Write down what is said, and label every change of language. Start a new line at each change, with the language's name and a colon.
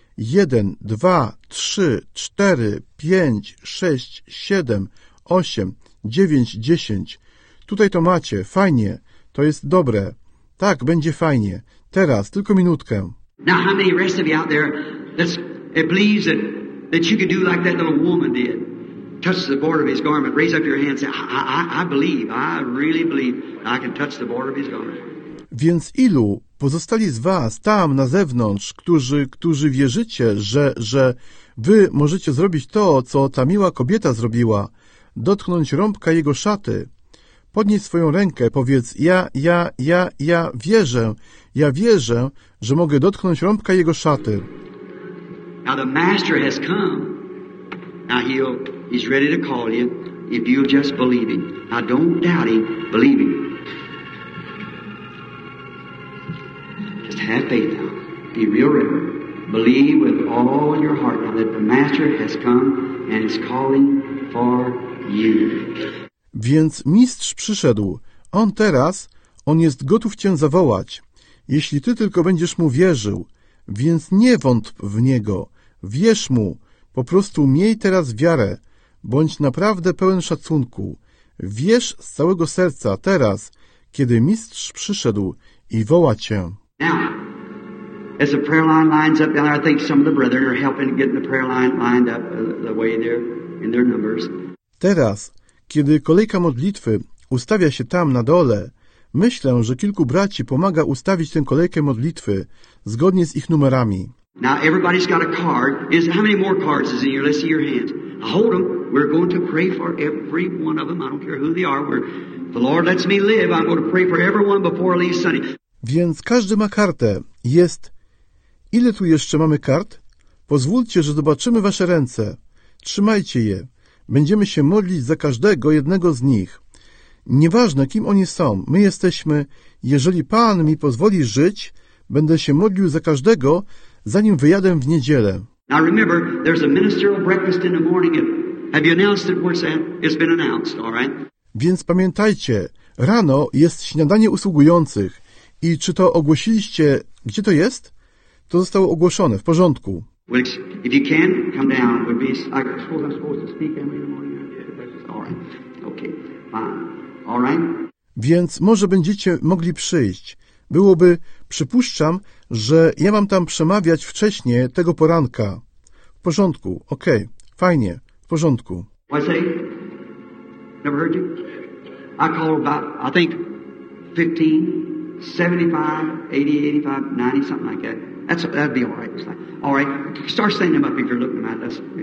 Polish: 1, 2, 3, 4, 5, 6, 7, 8, 9, 10. Tutaj to macie. Fajnie. To jest dobre. Tak, będzie fajnie. Teraz, tylko minutkę.
English: Now, how many rest of you out there that believes that you could do like that little woman did? Touch the border of his garment. Raise up your hand and say, I believe, I really believe I can touch the border of his garment.
Polish: Więc ilu pozostali z was tam na zewnątrz, którzy wierzycie, że wy możecie zrobić to, co ta miła kobieta zrobiła, dotknąć rąbka jego szaty? Podnieś swoją rękę, powiedz, ja wierzę, ja wierzę, że mogę dotknąć rąbka jego szaty.
English: Now the master has come. Now he's ready to call you if you just believe him. Now don't doubt him, believe him. Have faith now. Be real reverent. Believe with all your heart now that the Master has come and is calling for you.
Polish: Więc mistrz przyszedł. On teraz, on jest gotów cię zawołać. Jeśli ty tylko będziesz mu wierzył, więc nie wątp w niego. Wierz mu. Po prostu miej teraz wiarę. Bądź naprawdę pełen szacunku. Wierz z całego serca teraz, kiedy mistrz przyszedł i woła cię.
English: Now, as the prayer line lines up down there, I think some of the brethren are helping getting the prayer line lined up the way they're in their numbers.
Polish: Teraz, kiedy kolejka modlitwy ustawia się tam na dole, myślę, że kilku braci pomaga ustawić tę kolejkę modlitwy zgodnie z ich numerami.
English: Now, everybody's got a card. Is how many more cards is in here? Let's see your hands. I hold them. We're going to pray for every one of them. I don't care who they are. The Lord lets me live. I'm going to pray for everyone before I leave Sunday.
Polish: Więc każdy ma kartę. Jest... Ile tu jeszcze mamy kart? Pozwólcie, że zobaczymy wasze ręce. Trzymajcie je. Będziemy się modlić za każdego jednego z nich. Nieważne, kim oni są, my jesteśmy... Jeżeli Pan mi pozwoli żyć, będę się modlił za każdego, zanim wyjadę w niedzielę.
English: Now remember, there's a ministerial breakfast in the morning. Have you announced it? Where's that? It's been announced, all right?
Polish: Więc pamiętajcie, rano jest śniadanie usługujących. I czy to ogłosiliście, gdzie to jest? To zostało ogłoszone, w porządku.
English: If you can, come down. I suppose I'm supposed to speak in the morning. All right. Okay. Fine. All right.
Polish: Więc może będziecie mogli przyjść. Byłoby, przypuszczam, że ja mam tam przemawiać wcześniej tego poranka. W porządku. Okej. Okay. Fajnie. W porządku.
English: What I say? Never heard you? I call about, I think, 15, 75, 80, 85, 90, something like that. That'd be all right. All right. Start standing up if you're looking at us.